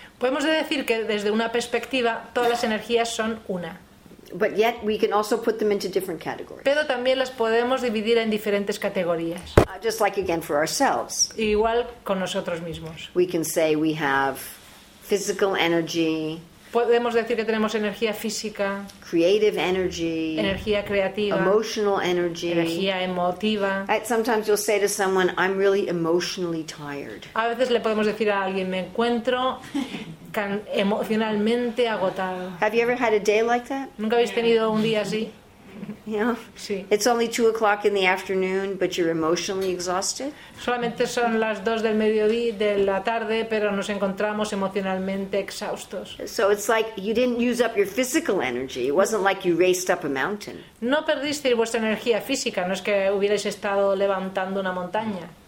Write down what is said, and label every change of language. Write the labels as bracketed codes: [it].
[es] Podemos decir que desde una perspectiva todas las energías son una. [en] But yet we can also put them into different categories. [es] Pero también las podemos dividir en diferentes categorías. [en] Just like again for ourselves. [es] Igual con nosotros mismos. [en] We can say we have physical energy. [es] Podemos decir que tenemos energía física. [en] Creative energy. [es] Energía creativa. [en] Emotional energy. [es] Energía emotiva. [en] Sometimes you'll say to someone, "I'm really emotionally tired." [es] A veces le podemos decir a alguien, "Me encuentro emocionalmente agotado." [en] Have you ever had a day like that? [es] ¿Nunca habéis tenido un día así? [en] Yeah. It's only 2 o'clock in the afternoon, but you're emotionally exhausted. [es] Solamente son las 2 del mediodía de la tarde, pero nos encontramos emocionalmente exhaustos. [en] So it's like you didn't use up your physical energy. It wasn't like you raced up a mountain. [es] No perdisteis vuestra energía física. No es que hubierais estado levantando una montaña.